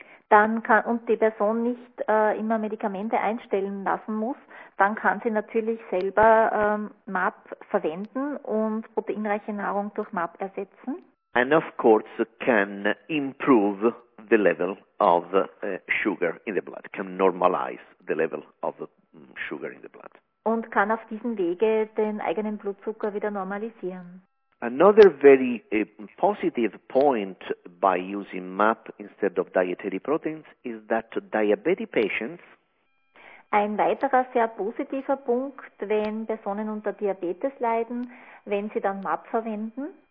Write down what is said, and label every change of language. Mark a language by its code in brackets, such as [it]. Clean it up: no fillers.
[de] Dann kann, und die Person nicht immer Medikamente einstellen lassen muss, dann kann sie natürlich selber MAP verwenden und proteinreiche Nahrung durch MAP ersetzen. [en] And of course can improve the level of sugar in the blood, can normalize the level of sugar in the blood. [de] Und kann auf diesem Wege den eigenen Blutzucker wieder normalisieren. [en] Another very positive point by using MAP instead of dietary proteins is that diabetic patients, [de] ein weiterer sehr positiver Punkt, wenn Personen unter Diabetes leiden, wenn sie dann MAP verwenden,